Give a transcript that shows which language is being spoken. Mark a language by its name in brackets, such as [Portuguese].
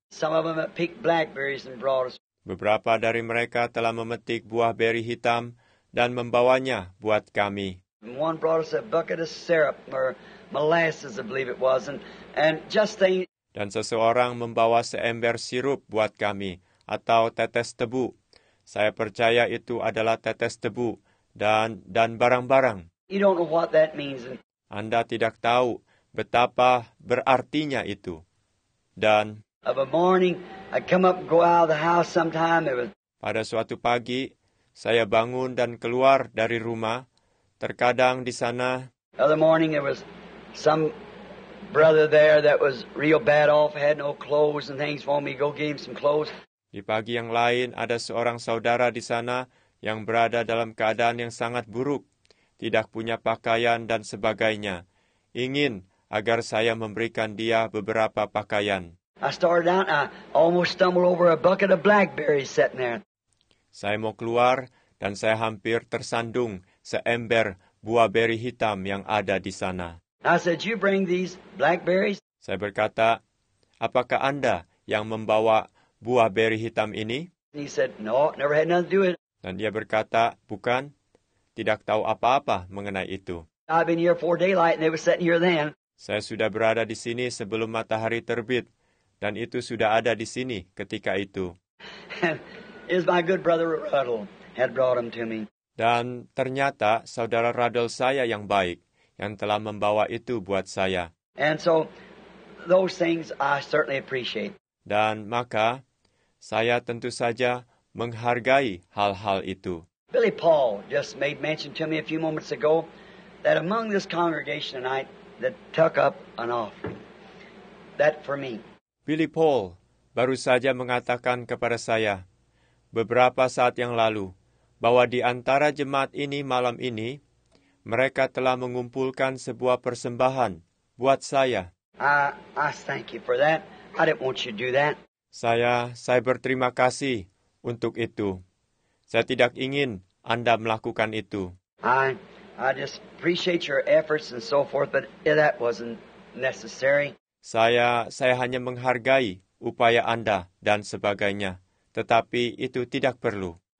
[English] Some of them have picked blackberries and brought us. [Indonesian] Beberapa dari mereka telah memetik buah beri hitam dan membawanya buat kami. [English] One brought us a bucket of syrup or molasses, I believe it was, and just the. [Indonesian] Dan seseorang membawa seember sirup buat kami atau tetes tebu. Saya percaya itu adalah tetes tebu dan barang-barang. [English] You don't know what that means. [Indonesian] Anda tidak tahu betapa berartinya itu. Dan [English] of a morning, I come up and go out of the house sometime. It was. [Indonesian] Pada suatu pagi, saya bangun dan keluar dari rumah. Terkadang di sana. [English] Other morning, there was some brother there that was real bad off, had no clothes and things for me. Go get him some clothes. [Indonesian] Di pagi yang lain, ada seorang saudara di sana yang berada dalam keadaan yang sangat buruk, tidak punya pakaian dan sebagainya. ingin agar saya memberikan dia beberapa pakaian. [English] I started out, I almost stumbled over a bucket of blackberries sitting there. [Indonesian] Saya mau keluar dan saya hampir tersandung seember buah beri hitam yang ada di sana. [English] I said, "You bring these blackberries?" [Indonesian] Saya berkata, "Apakah Anda yang membawa buah beri hitam ini?" [English] He said, "No, never had nothing to do with it." [Indonesian] Dan dia berkata, "Bukan, tidak tahu apa-apa mengenai itu." [English] I've been here before daylight and they were sitting here then. [Indonesian] Saya sudah berada di sini sebelum matahari terbit dan itu sudah ada di sini ketika itu. [English] Is my good brother Ruddle had brought him to me. [Indonesian] Dan ternyata saudara Ruddle saya yang baik yang telah membawa itu buat saya. [English] And so those things I certainly appreciate. [Indonesian] Dan maka saya tentu saja menghargai hal-hal itu. [English] Billy Paul just made mention to me a few moments ago that among this congregation tonight that took up an offering that for me. [Indonesian] Billy Paul baru saja mengatakan kepada saya beberapa saat yang lalu bahwa di antara jemaat ini malam ini mereka telah mengumpulkan sebuah persembahan buat saya. [English] I thank you for that. I didn't want you to do that. [Indonesian] Saya berterima kasih untuk itu. Saya tidak ingin Anda melakukan itu. [English] I just appreciate your efforts and so forth, but that wasn't necessary. [Indonesian] Saya hanya menghargai upaya Anda dan sebagainya, tetapi itu tidak perlu.